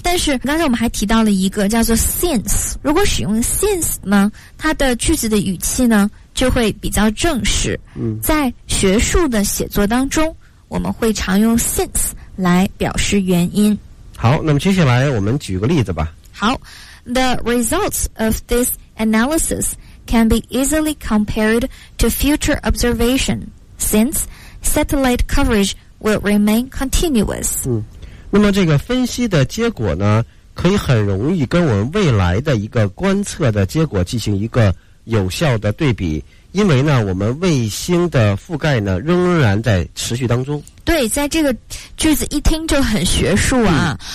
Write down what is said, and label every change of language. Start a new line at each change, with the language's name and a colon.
Chinese: 但是刚才我们还提到了一个叫做 since， 如果使用 since 呢，它的句子的语气呢就会比较正式。嗯，在学术的写作当中我们会常用 since 来表示原因。好，那么接下来我们举个例子吧。好，
English: The results of this analysis can be easily compared to future observation since satellite coverage will remain continuous。
Chinese: 嗯，那么这个分析的结果呢可以很容易跟我们未来的一个观测的结果进行一个有效的对比，因为呢我们卫星的覆盖呢仍然在持续当中。对，在这个句子一听就很学术啊。